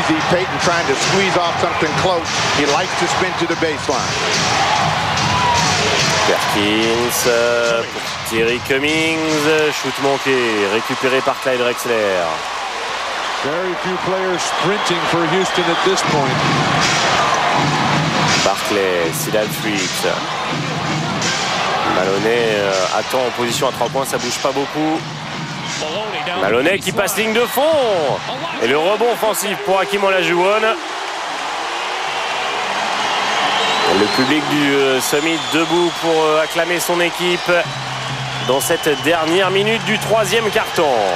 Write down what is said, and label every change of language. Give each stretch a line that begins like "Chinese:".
English: Payton trying to squeeze off something close. He likes to spin to the baseline.
French: Perkins pour Terry Cummings, shoot manqué, récupéré par Clyde Drexler.
English: Very few players sprinting for Houston at this point. Barkley, Sidal Street.
French: Maloney attend en position à 3 points, ça bouge pas beaucoup. Maloney qui passe ligne de fond. Et le rebond offensif pour Hakim Olajuwon. Le public du Summit debout pour acclamer son équipe dans cette dernière minute du troisième quart-temps.